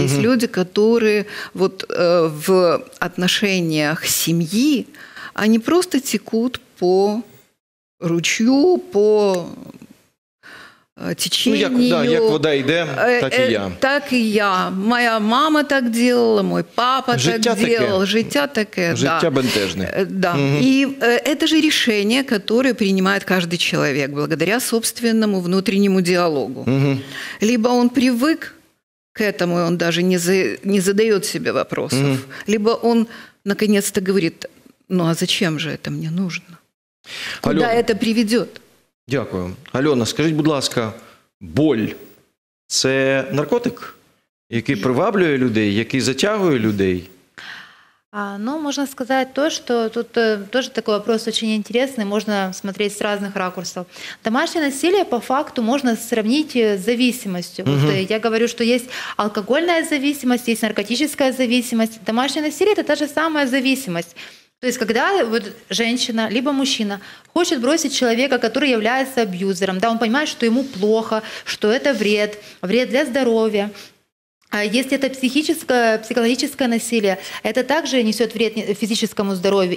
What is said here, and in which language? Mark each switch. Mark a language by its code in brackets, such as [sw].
[ru] Есть люди, которые вот, в отношениях семьи, они просто текут по ручью, по течению. [uk] Ну, як вода йде, так і я. Так і я. [ru] Моя мама так делала, мой папа [uk] життя [ru] так делал. [uk] Життя таке. Життя бентежне. Да. Угу. І це ж рішення, яке приймає кожен чоловік [ru] благодаря собственному [uk] внутрішньому діалогу. Угу. Либо він [ru] привик к этому, [uk] і він навіть не задає собі вопросів. Угу. Либо він наконец-то говорить, [ru] ну а зачем же [uk] це мені потрібно? Куди це приведе? Дякую. Альона, скажіть, будь ласка, боль – це наркотик, який приваблює людей, який затягує людей? Ну, можна сказати то, що тут теж такий вопрос дуже цікавий, можна смотреть з різних ракурсів. Домашнє насилие, по факту, можна сравнити з зависимостю. Угу. Вот, я говорю, що є алкогольна зависимость, є наркотична зависимость. Домашнє насилие – це та ж сама зависимость. [ru] То есть, когда вот женщина, либо мужчина хочет бросить человека, который является абьюзером, да, он понимает, что ему плохо, что это вред, вред для здоровья. Если это психическое, психологическое насилие, это также несет вред физическому здоровью.